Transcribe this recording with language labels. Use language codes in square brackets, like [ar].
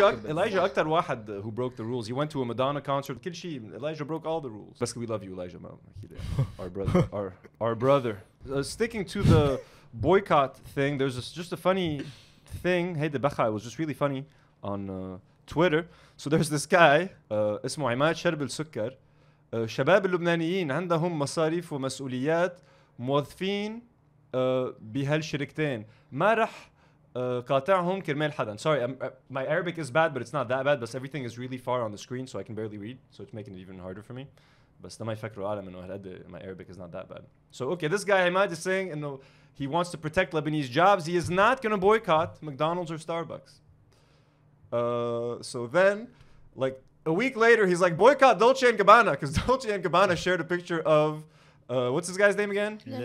[en] Elijah [ar] أكثر واحد [en] who broke the rules. He went to a Madonna concert. [ar] كل شيء. [en] Elijah broke all the rules. بس we love you, Elijah. Our brother. Sticking to the boycott thing, there's just a funny thing. Hey, the Bacha, it was just really funny on Twitter. So there's this guy, [ar] اسمه عماد شرب السكر. شباب اللبنانيين عندهم مصاريف ومسؤوليات موظفين بهالشركتين. ما رح قاطعهم كرمال حدا. [en] Sorry, my Arabic is bad, but it's not that bad. But everything is really far on the screen, so I can barely read. So it's making it even harder for me. [ar] بس لما يفكروا عالم انه هالقد [en] my Arabic is not that bad. So okay, this guy Ahmad is saying انه he wants to protect Lebanese jobs. He is not going to boycott McDonald's or Starbucks. So then, like a week later, he's like, boycott Dolce & Gabbana, because Dolce & Gabbana shared a picture of, what's this guy's name again?